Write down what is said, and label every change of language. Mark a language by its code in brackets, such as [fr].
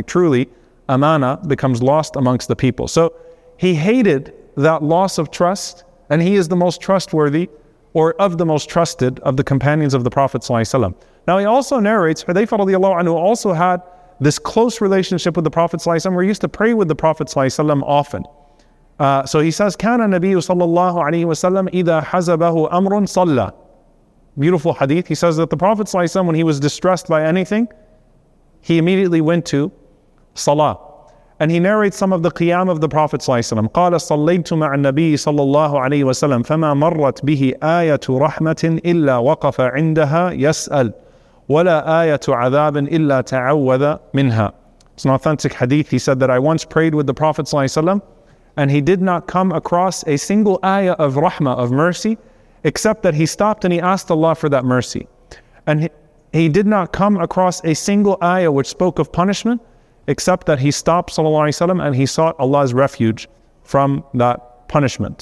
[en] Like truly, amana becomes lost amongst the people. So he hated that loss of trust, and he is the most trustworthy, or of the most trusted of the companions of the Prophet ﷺ. Now he also narrates, Hudhayfah radiallahu anhu also had this close relationship with the Prophet ﷺ, where he used to pray with the Prophet ﷺ often. So he says, [ar] كان النبي صلى الله عليه وسلم إذا حزبه أمر صلى. [en] Beautiful hadith. He says that the Prophet ﷺ, when he was distressed by anything, he immediately went to salah. And he narrates some of the qiyam of the Prophet ﷺ. [ar] قال صليت مع النبي صلى الله عليه وسلم فما مرت به آية رحمة إلا وقف عندها يسأل ولا آية عذاب إلا تعوذ منها. [en] It's an authentic hadith. He said that I once prayed with the Prophet ﷺ and he did not come across a single ayah of rahmah, of mercy, except that he stopped and he asked Allah for that mercy. And he did not come across a single ayah which spoke of punishment, except that he stopped, sallallahu alayhi wa sallam, and he sought Allah's refuge from that punishment.